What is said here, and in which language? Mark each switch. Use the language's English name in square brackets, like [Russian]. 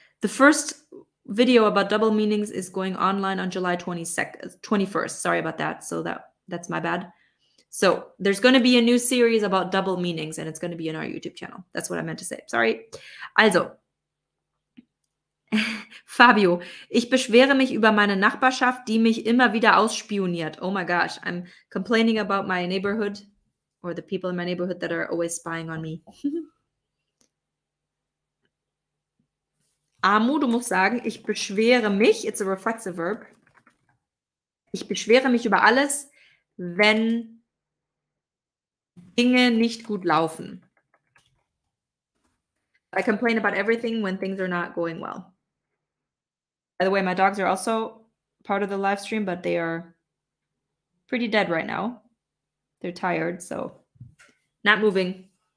[English] The first video about double meanings is going online on July 21st. Sorry about that. So that's my bad. So there's going to be a new series about double meanings, and it's going to be in our YouTube channel. That's what I meant to say. Sorry. [German] Also, Fabio, ich beschwere mich über meine Nachbarschaft, die mich immer wieder ausspioniert. [English] Oh my gosh, I'm complaining about my neighborhood or the people in my neighborhood that are always spying on me. [German] Amu, du musst sagen, ich beschwere mich, [English] it's a reflexive verb. [German] Ich beschwere mich über alles, wenn Dinge nicht gut laufen. [English] I complain about everything when things are not going well. By the way, my dogs are also part of the live stream, but they are pretty dead right now. They're tired, so not moving.